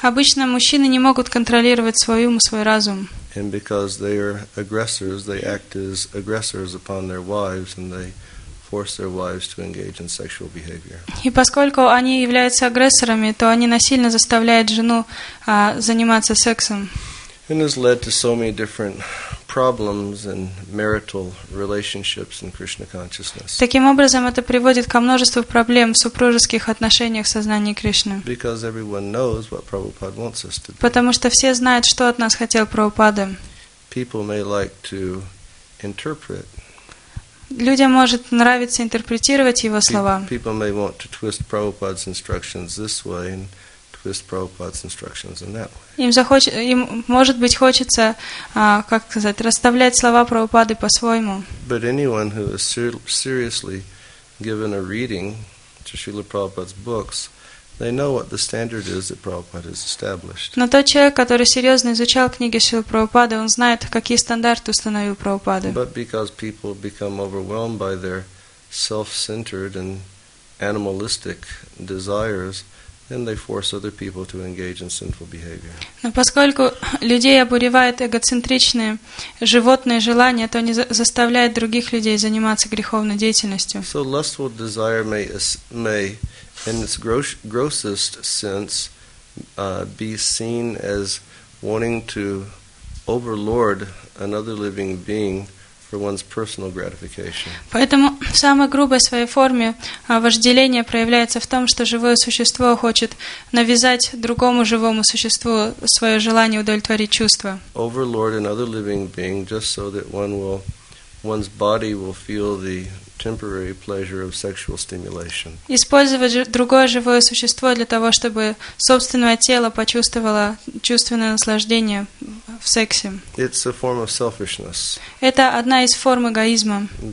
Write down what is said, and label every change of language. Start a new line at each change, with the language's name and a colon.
Russian: Обычно мужчины не могут контролировать свой ум, свой разум.
English: And because they are aggressors, they act as aggressors upon their wives, and they force their wives to engage in sexual behavior.
Russian: И поскольку они являются агрессорами, то они насильно заставляют жену заниматься сексом.
English: And has led to so many different problems and marital relationships in Krishna consciousness.
Russian: Таким образом, это приводит ко множеству проблем в супружеских отношениях в сознании Кришны.
English: Because everyone knows what Prabhupada wants us to do.
Russian: Потому что все знают, что от нас хотел Прабхупада.
English: People may like to interpret.
Russian: Людям может нравиться интерпретировать его слова.
English: People may want to twist Prabhupada's instructions this way and twist Prabhupada's instructions in that way.
Russian: Им, может быть, хочется, как сказать, расставлять слова Прабхупады по-своему.
English: But anyone who has seriously given a reading to Srila Prabhupada's books, they know what the standard is that Prabhupada has established.
Russian: Но тот человек, который серьезно изучал книги Шрилы Прабхупады, он знает, какие стандарты установил Прабхупада.
English: But because people become overwhelmed by their self-centered and animalistic desires, and they force other people to engage in sinful behavior.
Russian: Но поскольку людей обуревает эгоцентричное животное желание, то не заставляет других людей заниматься греховной деятельностью.
English: So lustful desire may in its grossest sense be seen as wanting to overlord another living being for one's personal gratification.
Russian: Поэтому в самой грубой своей форме вожделение проявляется в том, что живое существо хочет навязать другому живому существу свое желание удовлетворить чувства.
English: Overlord another living being just so that one's body will feel the temporary pleasure of sexual stimulation.
Russian: Использовать другое живое существо для того, чтобы собственное тело почувствовало чувственное наслаждение в сексе.
English: It's a form of selfishness.
Russian: Это одна из форм эгоизма.